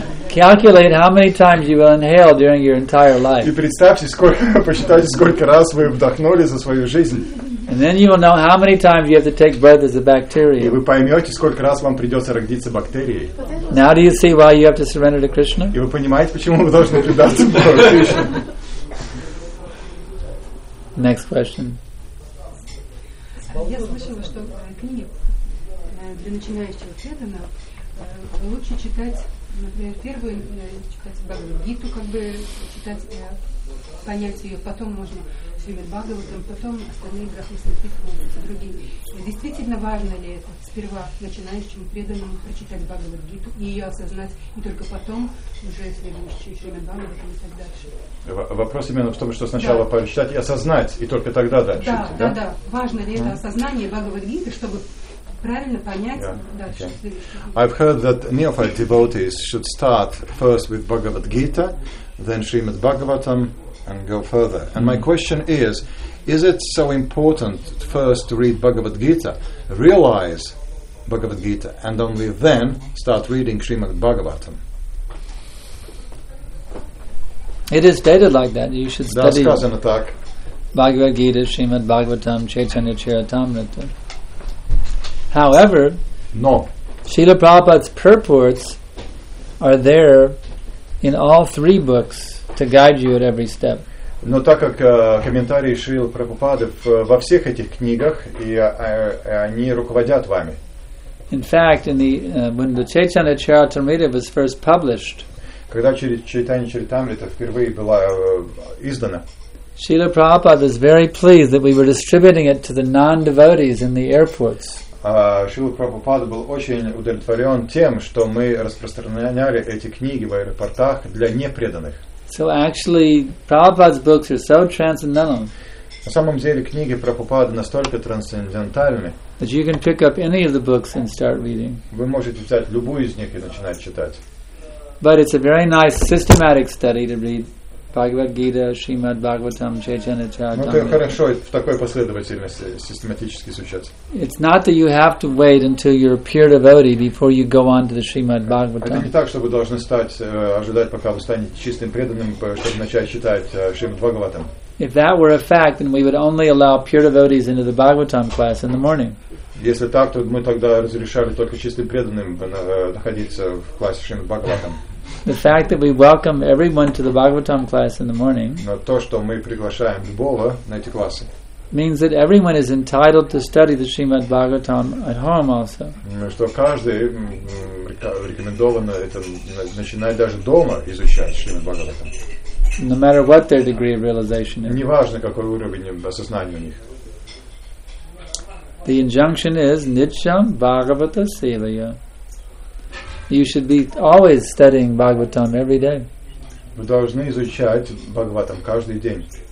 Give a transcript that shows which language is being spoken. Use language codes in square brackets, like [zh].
[en] Calculate how many times you will inhale during your entire life. [ru] И представьте, посчитайте, сколько раз вы вдохнули за свою жизнь. [en] And then you will know how many times you have to take birth as a bacteria. [ru] И вы поймете, сколько раз вам придется родиться бактерией. [en] Now do you see why you have to surrender to Krishna? [ru] И вы понимаете, почему вы должны предаться Богу Кришне? [en] Next question. Hare Krishna. [ru] Я слышала, что книги для начинающего преданного лучше читать например, первую читать Бхагавад-гиту, как бы читать, понять ее, потом можно Шримад-Бхагаватам, потом остальные грахи Санкхита, другие. И действительно важно ли это сперва начинающему преданному прочитать Бхагавад-гиту и ее осознать, и только потом уже следующий Шримад-Бхагаватам и так дальше? Вопрос именно в том, что сначала прочитать и осознать, и только тогда дальше. Да. Важно ли это осознание Бхагавад-гиты, чтобы [en] I've heard that neophyte devotees should start first with Bhagavad Gita, then Srimad Bhagavatam, and go further. And my question is it so important first to read Bhagavad Gita, realize Bhagavad Gita, and only then start reading Srimad Bhagavatam? It is stated like that. You should study Das-Kasana-tak. Bhagavad Gita, Srimad Bhagavatam, Chaitanya Charitamrita. However, no. Srila Prabhupada's purports are there in all three books to guide you at every step. [ru] Но так как комментарии Шрилы Прабхупады во всех этих книгах, и они руководят вами. [en] In fact, in the when the Chaitanya Charitamrita was first published, [ru] когда Чайтанья Чаритамрита впервые была издана, [en] Srila Prabhupada was very pleased that we were distributing it to the non-devotees in the airports. [ru] Шрила Прабхупада был очень удовлетворен тем, что мы распространяли эти книги в аэропортах для непреданных. [en] So actually, Prabhupada's books are so transcendental. [ru] На самом деле книги Прабхупады настолько трансцендентальны, [en] that you can pick up any of the books and start reading. [ru] Вы можете взять любую из них и начинать читать. [en] But it's a very nice systematic study to read Bhagavad Gita, Srimad Bhagavatam, Chaitanya Charitamrita. [ru] Ну, это хорошо, в такой последовательности систематически изучать. [en] It's not that you have to wait until you're a pure devotee before you go on to the Srimad Bhagavatam. [ru] Это не так, что вы должны ожидать, пока вы станете чистым преданным, чтобы начать читать Шримад Бхагаватам. [en] If that were a fact, then we would only allow pure devotees into the Bhagavatam class in the morning. [ru] Если так, то мы тогда разрешали только чистым преданным находиться в классе Шримад Бхагаватам. [en] The fact that we welcome everyone to the Bhagavatam class in the morning, [ru] но то, что мы приглашаем любого на эти классы, [en] means that everyone is entitled to study the Srimad Bhagavatam at home also. [ru] Что каждый рекомендовано это начинать даже дома изучать Шримад Бхагаватам. [en] No matter what their degree of realization is. [ru] Неважно какой уровень осознания у них. [en] The injunction is [sa] Nityam Bhagavata Sevaya. [en] You should be always studying Bhagavatam every day. [ru] Вы должны изучать Бхагаватам каждый день.